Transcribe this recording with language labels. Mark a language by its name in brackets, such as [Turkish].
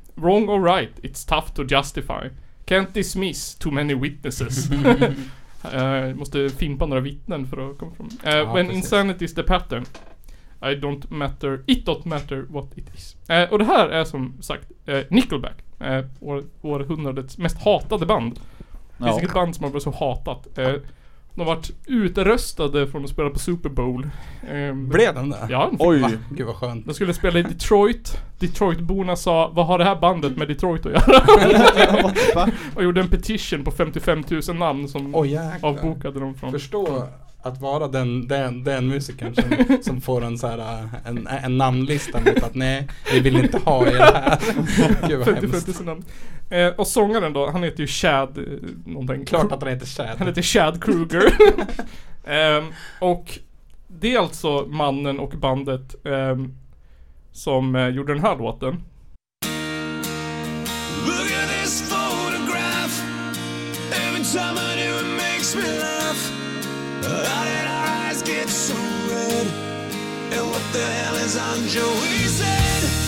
[English] Wrong or right, it's tough to justify. Can't dismiss too many witnesses. [Swedish] måste fimpa några vittnen för att komma fram. [English] When insanity is the pattern, I don't matter, it don't matter what it is. [Swedish] Och det här är som sagt Nickelback, århundradets mest hatade band. Det finns ett band som har varit så hatat. De har varit utröstade från att spela på Super Bowl. Blev den där? Ja, oj, gud vad skönt. De skulle spela i Detroit. Detroit-borna sa, vad har det här bandet med Detroit att göra? Och gjorde en petition på 55 000 namn som avbokade dem från. Förstå att vara den musikern som får en, så här, en namnlista mot att nej, vi vill inte ha er här. Gud vad 55 000 namn. Och sångaren då, han heter ju Chad någonting. Klart att han heter Chad. Han heter Chad Kruger. Och det är alltså mannen och bandet som gjorde den här låten. [English] Look at this photograph. Every time I do it makes me laugh. How did our eyes get so red? And what the hell is on Joey's head?